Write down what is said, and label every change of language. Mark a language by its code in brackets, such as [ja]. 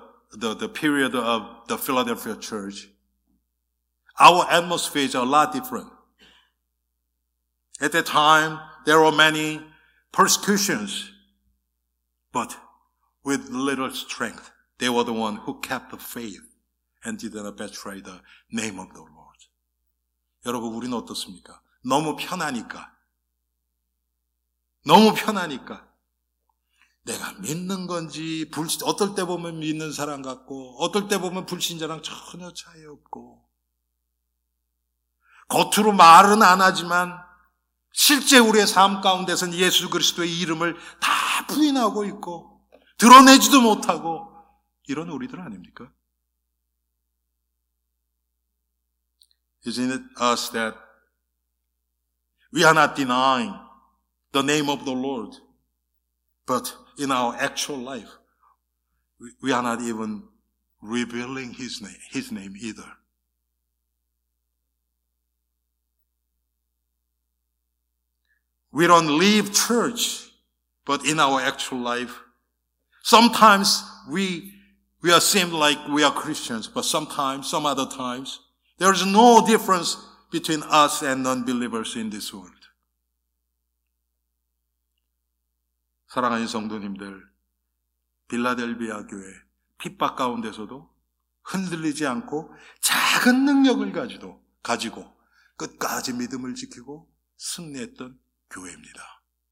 [en] 'Compared to the period of the Philadelphia Church, our atmosphere is a lot different. At that time, there were many persecutions, but with little strength, they were the one who kept the faith and did not betray the name of the Lord. [ko] 여러분, 우리는 어떻습니까? 너무 편하니까. 너무 편하니까. 내가 믿는 건지, 어떨 때 보면 믿는 사람 같고, 어떨 때 보면 불신자랑 전혀 차이 없고, 겉으로 말은 안 하지만, 실제 우리의 삶 가운데선 예수 그리스도의 이름을 다 부인하고 있고, 드러내지도 못하고, 이런 우리들 아닙니까? [en] Isn't it us that we are not denying the name of the Lord, but in our actual life, we are not even revealing his name either. We don't leave church, but in our actual life, sometimes we are seem like we are Christians, but sometimes, some other times, there is no difference between us and non-believers in this world. [ko] 사랑하는 성도님들, 빌라델비아 교회 핍박 가운데서도 흔들리지 않고 작은 능력을 가지고 끝까지 믿음을 지키고 승리했던 교회입니다.